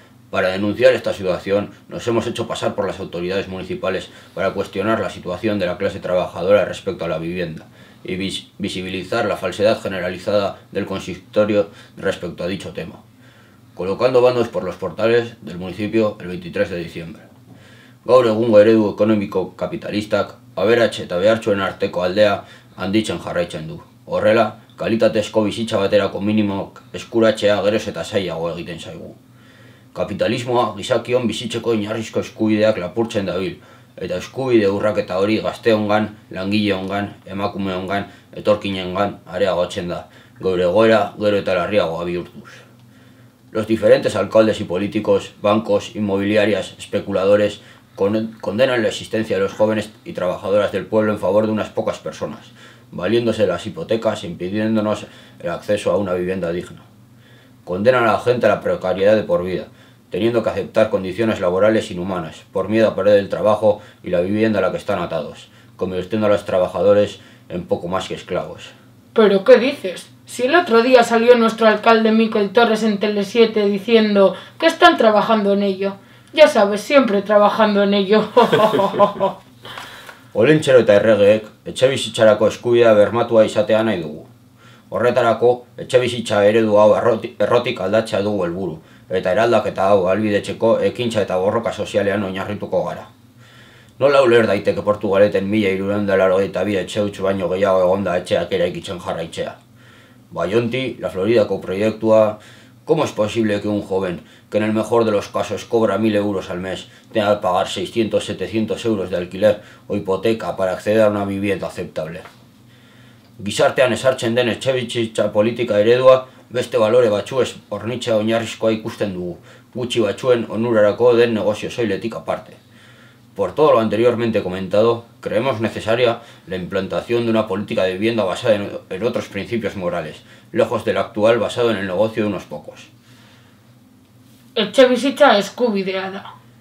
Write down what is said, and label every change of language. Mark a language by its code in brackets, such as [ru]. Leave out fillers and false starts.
[es] Para denunciar esta situación, nos hemos hecho pasar por las autoridades municipales para cuestionar la situación de la clase trabajadora respecto a la vivienda y visibilizar la falsedad generalizada del consistorio respecto a dicho tema, colocando bandos por los portales del municipio el 23 de diciembre. [eu] Gaur egungo eredu ekonomiko kapitalistak, aberats eta behartxuen arteko aldea handitzen jarraitzen du. Horrela, kalitatezko bizitza baterako minimoak eskuratzea geroz eta zailago egiten zaigu. Kapitalismoa gizakion bizitzeko oinarrizko eskubideak lapurtzen dabil, eta eskubide urraketa hori gazteongan, langileongan, emakumeongan, etorkinengan areagotzen da, gaur egoera gero eta larriagoa bihurtuz. [es] Los diferentes alcaldes y políticos, bancos, inmobiliarias, especuladores, condenan la existencia de los jóvenes y trabajadoras del pueblo en favor de unas pocas personas, valiéndose de las hipotecas e impidiéndonos el acceso a una vivienda digna. Condenan a la gente a la precariedad de por vida, teniendo que aceptar condiciones laborales inhumanas, por miedo a perder el trabajo y la vivienda a la que están atados, convirtiendo a los trabajadores en poco más que esclavos. ¿Pero qué dices? Si el otro día salió nuestro alcalde Miquel Torres en Tele7 diciendo que están trabajando en ello. Ya sabes, siempre trabajando en ello. [eu] Olentxero eta erregeek etxebizitzarako eskubidea bermatua izatea nahi dugu. Horretarako, etxebizitza eredu hau errotik aldatzea dugu helburu, eta eraldaketa hau albidetzeko ekintza eta borroka sozialean oinarrituko gara. Nola uler daiteke Portugaleten 1.382 etxe huts baino gehiago egonda etxeak eraikitzen jarraitzea? [es] Bayonti, la Florida coproyectua, ¿cómo es posible que un joven, que en el mejor de los casos cobra 1.000 euros al mes, tenga que pagar 600, 700 euros de alquiler o hipoteca para acceder a una vivienda aceptable? [eu] Gizartean esartzen den etxebizitza politika eredua, beste balore batxuez hornitzea oinarrizkoa ikusten dugu, gutxi batxuen onurarako den negozio soiletik aparte. [es] Por todo lo anteriormente comentado, creemos necesaria la implantación de una política de vivienda basada en otros principios morales, lejos del actual basado en el negocio de unos pocos. [eu] Etxe bizitza eskubidea da.